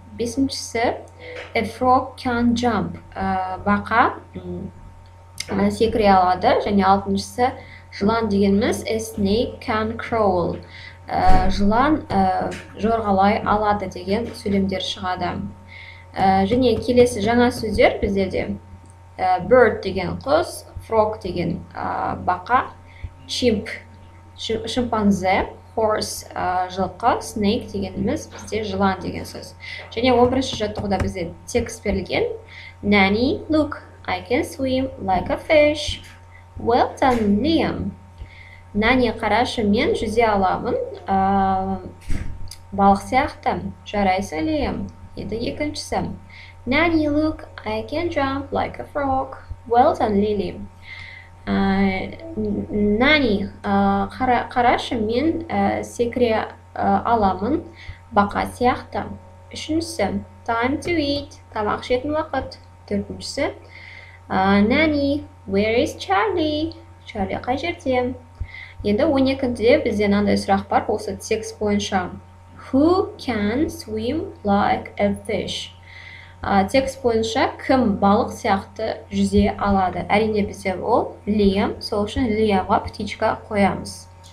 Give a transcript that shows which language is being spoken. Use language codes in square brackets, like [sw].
[kk] Бесіншісі [en] a frog can jump. [kk] Бақа секіре алады. Және алтыншысы жылан дегеніміз [en] a snake can crawl. [kk] Жылан жорғалай алады деген сөйлемдер шығады. Және келесі жаңа сөздер біздерде bird деген құс, frog деген бақа, chimp шимпанзе, horse жылқы, snake дегеніміз бізде жылан деген сөз. Және 11-ші жаттығуда бізде текст берілген. [en] Nanny, look, I can swim like a fish. Well done, Liam. [kk] Nanny, қарашы, мен жүзе аламын. Балық сияқты. Жарайсың, Liam. Енді екіншісі. [en] Nanny, look, I can jump like a frog. Well done, Lily. [kk] Нани, қарашы, мен секіре аламын, бақа сияқты. Үшіншісі, [en] time to eat, [kk] тамақ жейтін уақыт. Төртіншісі, [en] Нани, where is Charlie? [kk] Charlie қай жерде? Енді 12-де бізде мынандай сұрақ бар, осы текст бойынша. [en] Who can swim like a fish? [kk] Текст бойынша кім балық сияқты жүзе алады? Әрине бізде ол Liam, сол үшін Liam-ға птичка қоямыз.